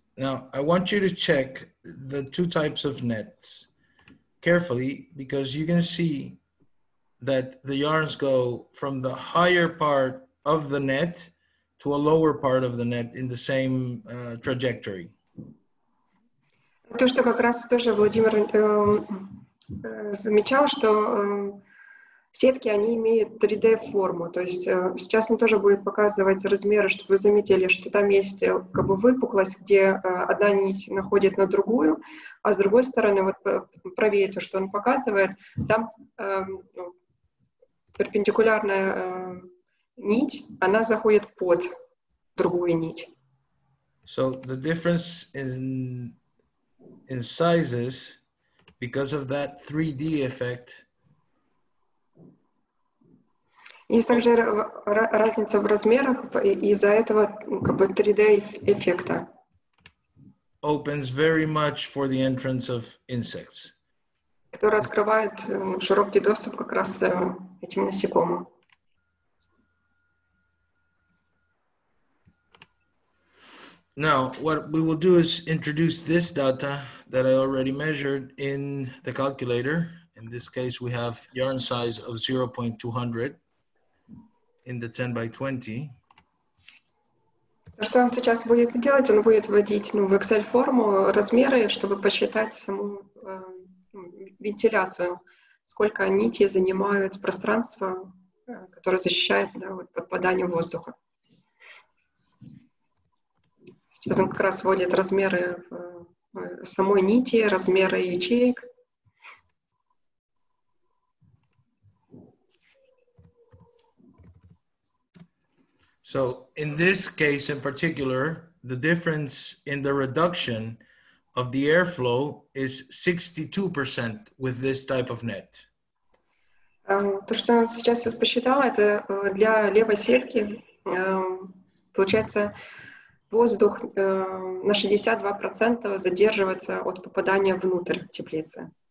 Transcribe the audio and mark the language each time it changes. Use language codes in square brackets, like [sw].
[en] Now, I want you to check the two types of nets carefully because you can see that the yarns go from the higher part of the net to a lower part of the net in the same trajectory. [ru] То, что как раз тоже Владимир замечал, что сетки, они имеют 3D-форму, то есть сейчас он тоже будет показывать размеры, чтобы вы заметили, что там есть как бы выпуклость, где одна нить находит на другую, а с другой стороны, вот правее то, что он показывает, там перпендикулярная нить, она заходит под другую нить. [en] So the difference in sizes, because of that 3D effect, [ru] есть также разница в размерах из-за этого как бы 3D эффекта. [en] Opens very much for the entrance of insects. [ru] Который открывает широкий доступ как раз этим насекомым. [en] Now, what we will do is introduce this data that I already measured in the calculator. In this case, we have yarn size of 0.200. In the 10 by 20. [ru] Что он сейчас будет делать? Он будет вводить в Excel форму размеры, чтобы посчитать саму вентиляцию, сколько нити занимают пространство, которое защищает, да, вот, подпадание воздуха. Сейчас он как раз вводит размеры самой нити, размеры ячеек. [en] So in this case in particular, the difference in the reduction of the airflow is 62% with this type of net. [ru] То, что он сейчас вот посчитал, это для левой сетки, получается, воздух на 62% задерживается от попадания внутрь теплицы.